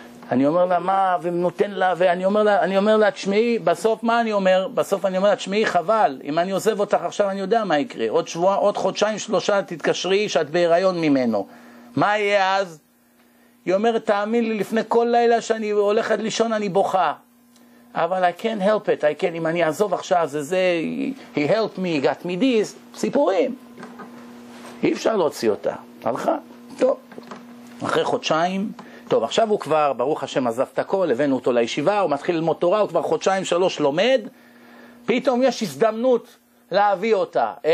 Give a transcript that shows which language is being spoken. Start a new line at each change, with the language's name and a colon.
Hebrew: אני אומר לה, מה, ונותן לה, ואני אומר לה, תשמעי, בסוף מה אני אומר? בסוף אני אומר לה, תשמעי, חבל, אם אני עוזב אותך עכשיו, אני יודע מה יקרה. עוד שבוע, עוד חודשיים, שלושה, תתקשרי, שאת בהיריון ממנו. מה יהיה אז? היא אומרת, תאמין לי, לפני כל לילה שאני הולכת לישון, אני בוכה.
English: אבל I can't help it,
Hebrew: אם אני אעזוב עכשיו, זה,
English: he helped me, got me this, סיפורים.
Hebrew: אי אפשר להוציא אותה. הלכה? טוב. אחרי חודשיים, טוב, עכשיו הוא כבר, ברוך השם, עזב את הכל, הבאנו אותו לישיבה, הוא מתחיל ללמוד תורה, הוא כבר חודשיים, שלוש לומד, פתאום יש הזדמנות להביא אותה.